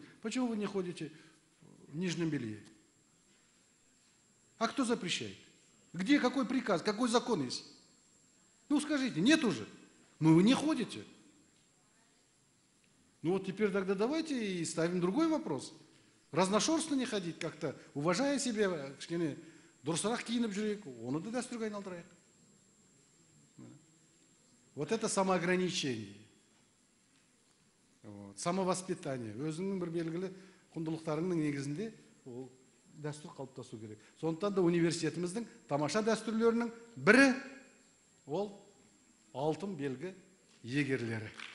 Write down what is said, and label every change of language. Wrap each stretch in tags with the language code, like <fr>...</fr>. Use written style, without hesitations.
<ru>Почему вы не ходите в нижнем белье? А кто запрещает? Где какой приказ, какой закон есть? Ну скажите, нет уже. Ну вы не ходите. Ну вот теперь тогда давайте и ставим другой вопрос. Разношерстно не ходить как-то, уважая себя,</ru> <kk>кішкене. Дұрысырақ киініп жүрейік, оны да дәстүрге айналдырайық.</kk> <ru>Вот это самоограничение. Вот. Самовоспитание.</ru> <kk>Өзіңнің бір белгілі құндылықтарыңның негізінде ол дәстүр қалыптасу керек. Сондықтан да университетіміздің тамаша дәстүрлерінің бірі ол алтын белгі егерлері.</kk>